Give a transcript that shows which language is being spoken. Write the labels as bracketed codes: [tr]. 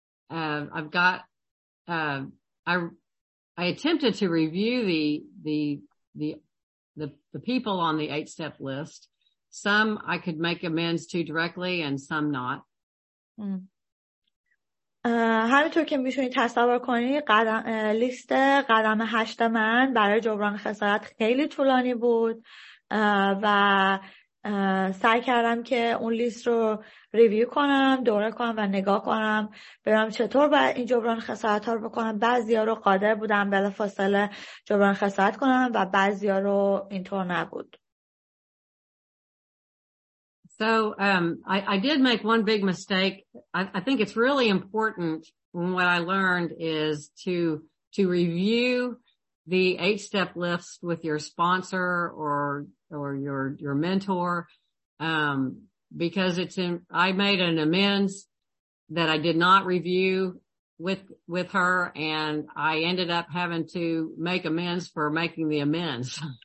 [en] And I've got I attempted to review the people on the 8-step list. Some I could make amends to directly and some not. [fa] همینطور که میتونید تصور کنید لیست قدم 8 من برای جبران خسارت خیلی طولانی بود و سعی کردم که اون لیست رو ریویو کنم، دوره کنم و نگاه کنم ببینم چطور باید این جبران خسارت ها رو بکنم. بعضی ها رو قادر بودم بلافاصله جبران خسارت کنم و بعضی ها رو اینطور نبود. [en] So I did make one big mistake. I think it's really important from what I learned is to review the 8-step list with your sponsor or your mentor because I made an amends that I did not review with her and I ended up having to make amends for making the amends.